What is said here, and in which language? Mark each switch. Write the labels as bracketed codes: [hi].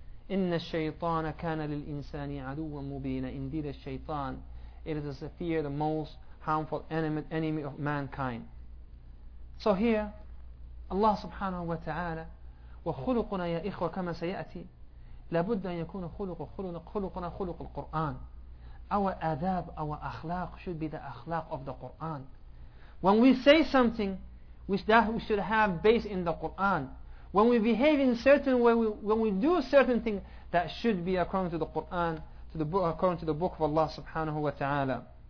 [ar] إِنَّ الشَّيْطَانَ كَانَ لِلْإِنسَانِ عَدُوًا مُبِينًا. [en] Indeed, a Shaytan, it is the fear, the most harmful enemy of mankind. So here, [ar] Allah subhanahu wa ta'ala, وَخُلُقُنَا يَا إِخْوَ كَمَا سَيَأْتِي. لابد أن يكون خلقنا خلق القرآن. [en] Our adab, our akhlaq should be the akhlaq of the Qur'an. When we say something, which that we should have based in the Qur'an. When we behave in certain way, when we do certain things, that should be according to the Qur'an, according to the book of Allah subhanahu wa ta'ala.